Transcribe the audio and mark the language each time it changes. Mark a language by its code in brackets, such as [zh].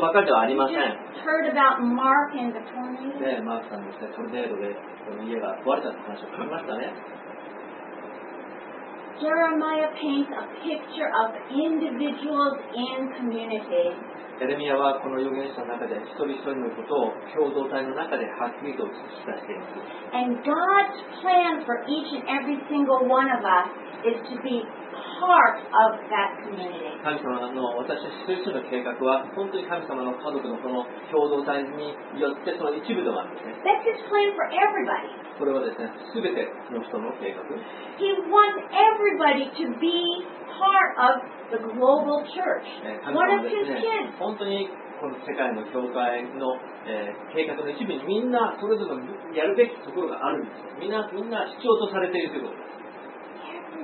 [en] Heard about Mark and the tornado. Jeremiah paints a picture of individuals and community. [ja] エレミアはこの預言者の中で一人一人のことを共同体の中ではっきりと映し出しています。 [en] And God's plan for each and every single one of us is to be part of that community. [ja] 神様の私たち一人一人の計画は本当に神様の家族のこの共同体によってその一部でもあるんですね。 [en] That's His plan for everybody. [ja] これはですね、すべての人の計画。 [en] He wants everybody to be part of the global church. One of His kids. [ja] 本当にこの世界の教会の、計画の一部にみんなそれぞれのやるべきところがあるんです。みんな必要とされているということです。